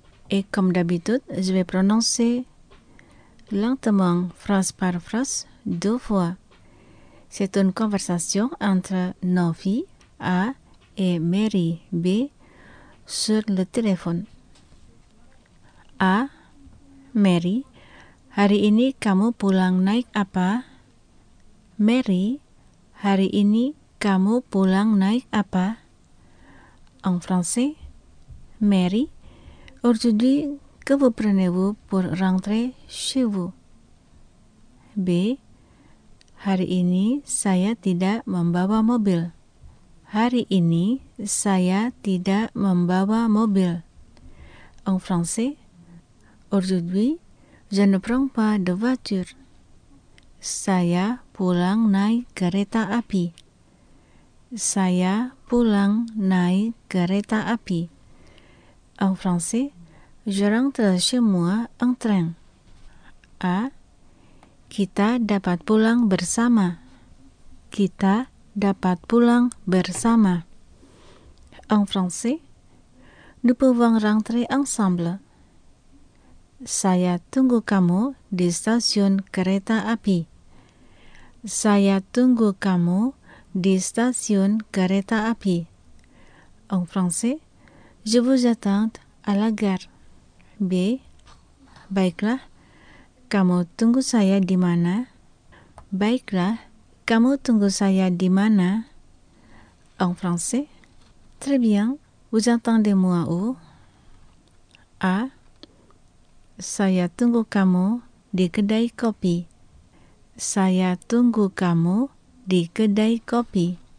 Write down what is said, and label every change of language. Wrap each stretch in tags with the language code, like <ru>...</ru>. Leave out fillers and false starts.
<fr>Et comme d'habitude, je vais prononcer lentement, phrase par phrase, deux fois. C'est une conversation entre Novi, A, et Mary, B, sur le téléphone.</fr> <id>A, Mary, hari ini kamu pulang naik apa? Mary, hari ini kamu pulang naik apa?</id> <fr>En français, Mary, aujourd'hui, que vous prenez-vous pour rentrer chez vous? B.</fr> <id>Hari ini saya tidak membawa mobil. Hari ini saya tidak membawa mobil.</id> <fr>En français, aujourd'hui, je ne prends pas de voiture.</fr> <id>Saya pulang naik kereta api. Saya pulang naik kereta api.</id> <fr>En français, Je rentre chez moi en train. A.</fr> <id>Kita dapat pulang bersama. Kita dapat pulang bersama.</id> <fr>En français, nous pouvons rentrer ensemble.</fr> <id>Saya tunggu kamu di stasiun kereta api. Saya tunggu kamu di stasiun kereta api.</id> <fr>En français, je vous attends à la gare. B.</fr> <id>Baiklah, kamu tunggu saya di mana? Baiklah, kamu tunggu saya di mana?</id> <fr>En français, très bien, vous attendez-moi où? A.</fr> <id>Saya tunggu kamu di kedai kopi. Saya tunggu kamu di kedai kopi.</id>